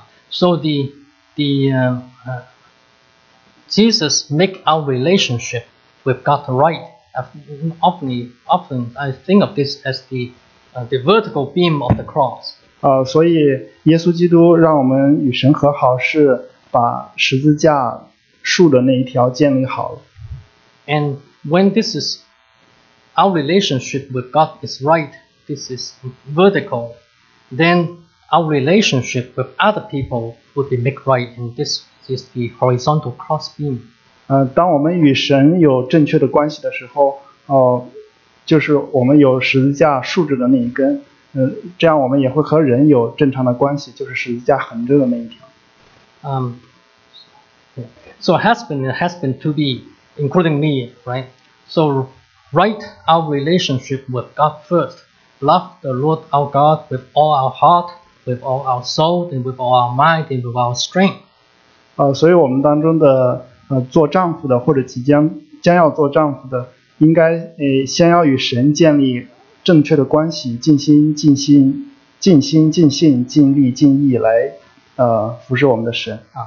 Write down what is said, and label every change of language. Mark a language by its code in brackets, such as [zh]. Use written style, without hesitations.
[en] So Jesus make our relationship with God right. Often I think of this as the vertical beam of the cross. [zh] 所以耶稣基督让我们与神和好是把十字架竖的那一条建立好了。 [en] And when this is our relationship with God is right, this is vertical, then our relationship with other people would be made right, and this is the horizontal cross beam. [zh] 当我们与神有正确的关系的时候，就是我们有十字架竖着的那一根，这样我们也会和人有正常的关系，就是十字架横着的那一条。 [en] So husband to be, including me, right? So write our relationship with God first, love the Lord our God with all our heart, with all our soul, and with all our mind, and with our strength. [zh] 所以我们当中的做丈夫的或者将要做丈夫的应该先要与神建立正确的关系尽心尽性尽力尽意来服侍我们的神。